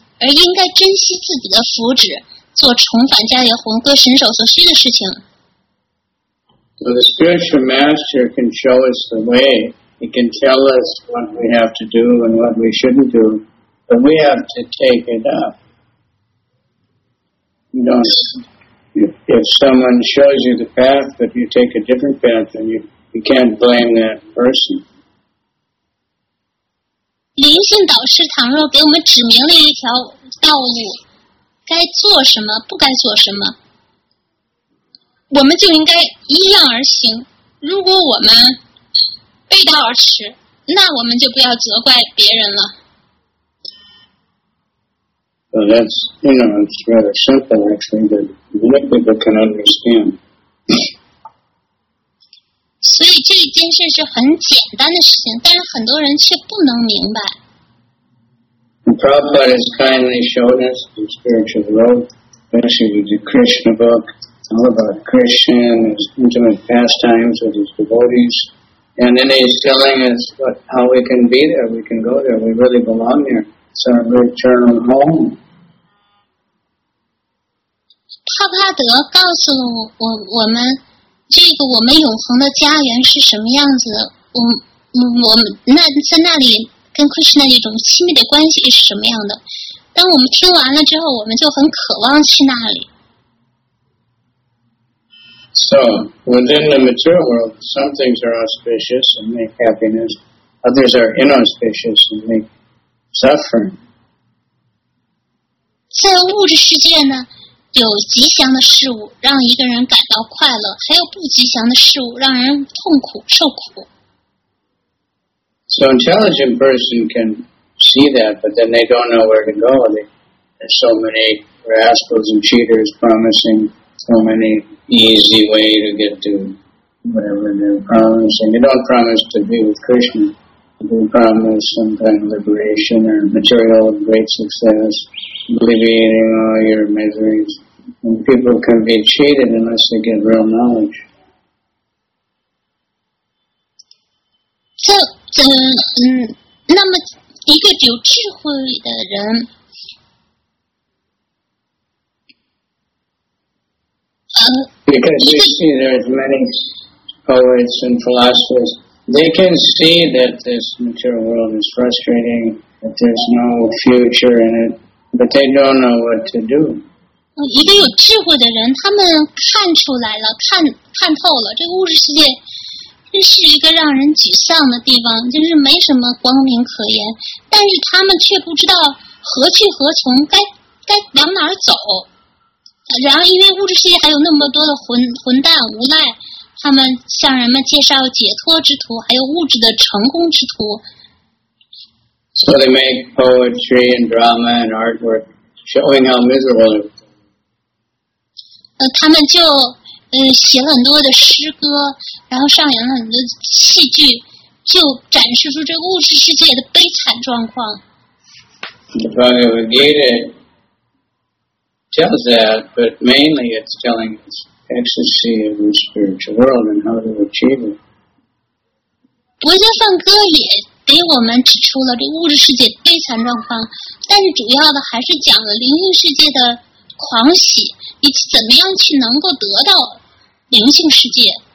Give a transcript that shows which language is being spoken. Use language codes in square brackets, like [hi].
[zh] 而应该珍惜自己的福祉，做重返迦叶红歌神手所需的事情。 [en] So the spiritual master can show us the way. He can tell us what we have to do and what we shouldn't do, but we have to take it up. If someone shows you the path, but you take a different path, then you can't blame that person. [zh] 灵性导师倘若给我们指明了一条道路，该做什么，不该做什么，我们就应该依样而行。如果我们背道而驰，那我们就不要责怪别人了。 [en] That's, you know, it's rather simple, actually, but many people can understand. [zh] 所以这一件事是很简单的事情，但是很多人却不能明白。 [en] And Prabhupada has kindly shown us the spiritual road, especially with the Krishna book, all about Krishna, his intimate pastimes with his devotees. And then he's telling us what, how we can be there, we can go there, we really belong there. It's our eternal home. [zh] 帕帕德告诉了 我们这个我们永恒的家园是什么样子，我们在那里跟 Krishna 一种亲密的关系是什么样的。当我们听完了之后，我们就很渴望去那里。 [en] So within the material world, some things are auspicious and make happiness, others are inauspicious and make suffering. [zh] 在物质世界呢，有吉祥的事物让一个人感到快乐，还有不吉祥的事物让人痛苦受苦。 [en] So intelligent person can see that, but then they don't know where to go. There's so many rascals and cheaters promising so many easy way to get to whatever they're promising. They don't promise to be with Krishna. They promise some kind of liberation or material great success. Alleviating all your miseries. And people can be cheated unless they get real knowledge. So, [zh] 那么一个有智慧的人， [en] Because you see there's many poets and philosophers, they can see that this material world is frustrating, that there's no future in it. But they don't know what to do. [zh] 一个有智慧的人，他们看出来了，看透了，这个物质世界真是一个让人沮丧的地方，就是没什么光明可言。但是他们却不知道何去何从，该往哪儿走。然而，因为物质世界还有那么多的混蛋无赖，他们向人们介绍解脱之途，还有物质的成功之途。 [en] So they make poetry and drama and artwork showing how miserable it is. [zh] 他们就写了很多的诗歌，然后上演了很多戏剧，就展示出这个物质世界的悲惨状况。 [en] The Bhagavad Gita tells that, but mainly it's telling us ecstasy of the spiritual world and how to achieve it. [zh] 不就算歌也给我们指出了这物质世界悲惨状况，但是主要的还是讲了灵性世界的狂喜，以及怎么样去能够得到灵性世界。